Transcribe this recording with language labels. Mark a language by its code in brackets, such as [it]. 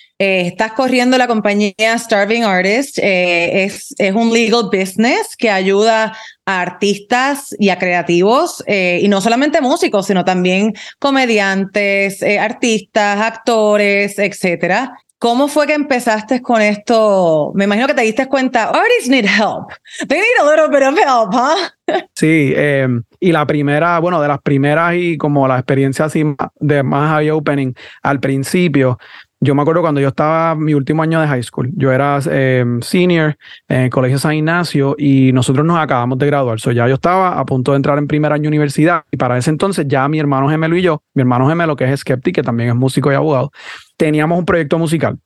[es] Estás corriendo la compañía Starving Artist. Es un [en] legal business [es] que ayuda a artistas y a creativos, y no solamente músicos, sino también comediantes, artistas, actores, etcétera. ¿Cómo fue que empezaste con esto? Me imagino que te diste cuenta, [en] artists need help. They need a little bit of help, huh? [es] Sí, y la primera, bueno, de las primeras y como la experiencia así de más eye-opening al principio, yo me acuerdo cuando yo estaba mi último año de high school, yo era senior en el Colegio San Ignacio y nosotros nos acabamos de graduar. So ya yo estaba a punto de entrar en primer año de universidad y para ese entonces ya mi hermano gemelo y yo, mi hermano gemelo que es Skeptic, que también es músico y abogado, teníamos un proyecto musical.